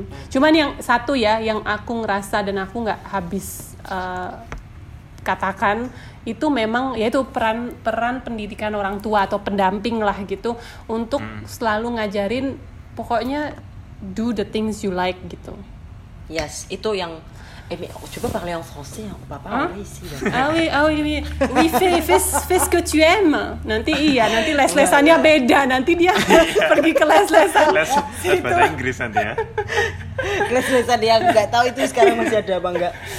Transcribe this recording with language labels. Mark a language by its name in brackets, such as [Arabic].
[Indonesian] Cuman yang satu ya, yang aku ngerasa dan aku gak habis katakan, itu memang yaitu peran pendidikan orang tua atau pendamping lah gitu, untuk selalu ngajarin pokoknya [English] do the things you like [Indonesian] gitu. Yes, itu yang coba [French] parler en français [Indonesian] yang papa [French] ici. Ah oui, oui, fais ce que tu aimes. [Indonesian] Nanti iya, nanti les-lesannya beda. Nanti dia pergi ke les-lesan. Les bahasa Inggris nanti ya. Les-lesan dia enggak tahu itu sekarang masih ada apa enggak.